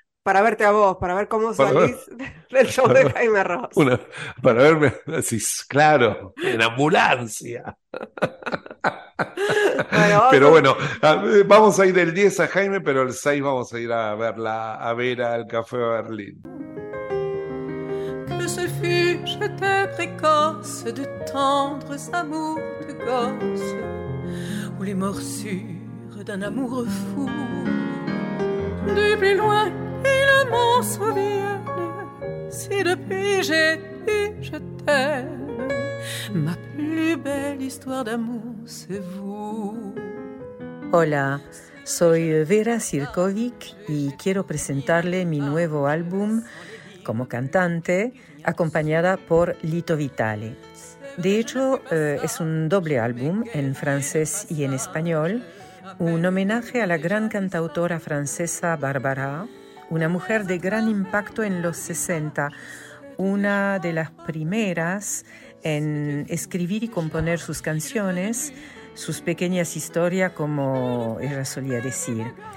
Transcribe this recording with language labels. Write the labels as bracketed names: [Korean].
[Spanish] para verte a vos, para ver cómo salís del show de Jaime Ross. Para verme. Sí, claro, en ambulancia. Bueno, Pero bueno, vamos a ir el 10 a Jaime, pero el 6 vamos a ir a verla, a ver al Café Berlín. [French] Que ce fut, j'étais précoce de tendres amours de gosse, ou les morsures d'un amour fou. Du plus loin, il m'en souvient. Si depuis j'ai dit je t'aime, ma plus belle histoire d'amour, c'est vous. [Spanish] Hola, soy Vera Sirkovic y quiero presentarle mi nuevo álbum como cantante, acompañada por Lito Vitale. De hecho, es un doble álbum en francés y en español, un homenaje a la gran cantautora francesa Barbara, una mujer de gran impacto en los 60, una de las primeras en escribir y componer sus canciones, sus pequeñas historias, como ella solía decir.